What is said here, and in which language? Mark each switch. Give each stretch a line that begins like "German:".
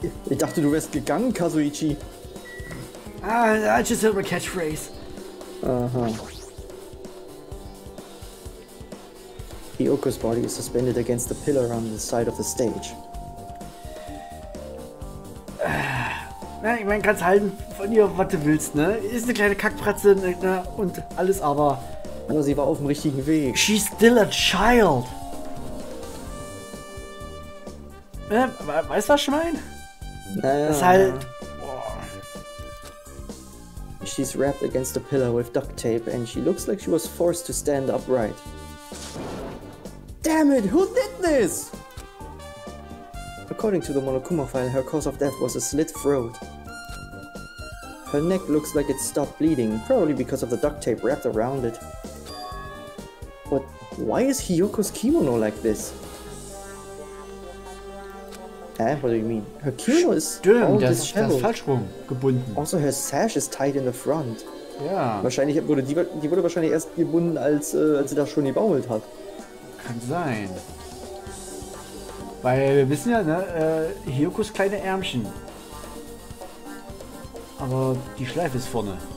German: Ich dachte, du wärst gegangen, Kazuichi.
English: I just heard my catchphrase. Uh-huh. Hyoko's body is suspended against the pillar on the side of the stage.
German: Man kann's halten von ihr, was du willst, ne? Ist eine kleine Kackpratze, ne? Und alles, aber... Aber sie war auf dem richtigen Weg.
English: She's still a child!
German: Weißt du, was ich meine? Naja. Das ist halt... Boah.
English: She's wrapped against a pillar with duct tape and she looks like she was forced to stand upright. Damn it! Who did this? According to the Monokuma file, her cause of death was a slit throat. Her neck looks like it stopped bleeding, probably because of the duct tape wrapped around it. But why is Hyoko's kimono like this? Eh, what do you mean? Her kimono is all disheveled.
German: Das falsch rum gebunden.
English: Also her sash is tied in the front. Yeah.
German: Wahrscheinlich wurde die wurde wahrscheinlich erst gebunden, als sie da schon gebaumelt hat. Kann sein. Weil wir wissen ja, ne, Hyokos kleine Ärmchen. Aber die Schleife ist vorne.